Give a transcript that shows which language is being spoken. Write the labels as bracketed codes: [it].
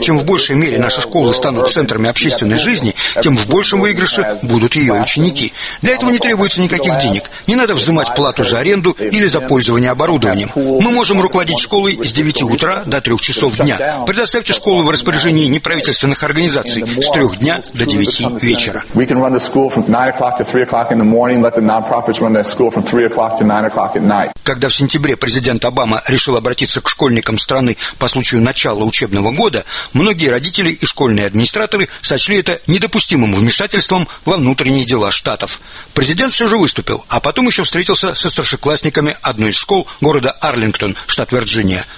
[ru] Чем в большей мере наши школы станут центрами общественной жизни, тем в большем выигрыше будут ее ученики. Для этого не требуется никаких денег. Не надо взимать плату за аренду или за пользование оборудованием. Мы можем руководить школой с 9 утра до 3 часов дня, предоставьте школу в распоряжении неправительственных организаций с 3 дня до 9 вечера. [en] We can run the school from 9 o'clock to 3 o'clock in the morning, let the non-profits run that school from 3 o'clock to 9 o'clock at night. [ru] Когда в сентябре президент Обама решил обратиться к школьникам страны по случаю начала учебного года, многие родители и школьные администраторы сочли это недопустимым вмешательством во внутренние дела штатов. Президент все же выступил, а потом еще встретился со старшеклассниками одной из школ города Арлингтон, штат Вирджиния.